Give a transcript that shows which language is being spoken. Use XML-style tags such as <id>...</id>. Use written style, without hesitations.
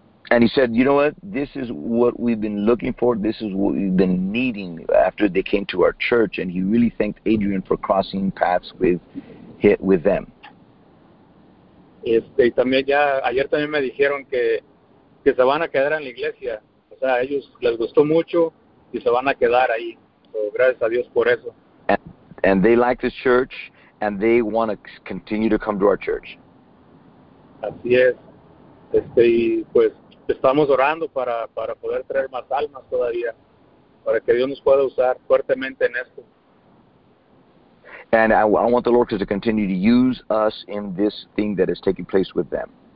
<en>And he said, you know what, this is what we've been looking for, this is what we've been needing after they came to our church, and he really thanked Adrian for crossing paths with them.</en> <es>Y también ya, ayer también me dijeron que se van a quedar en la iglesia. O sea, a ellos les gustó mucho y se van a quedar ahí. So, gracias a Dios por eso.</es> <en>And they like this church and they want to continue to come to our church.</en> <es>Así es. Y pues estamos orando para poder traer más almas todavía, para que Dios nos pueda usar fuertemente en esto.</es> <en>And I want the Lord to continue to use us in this thing that is taking place with them.</en>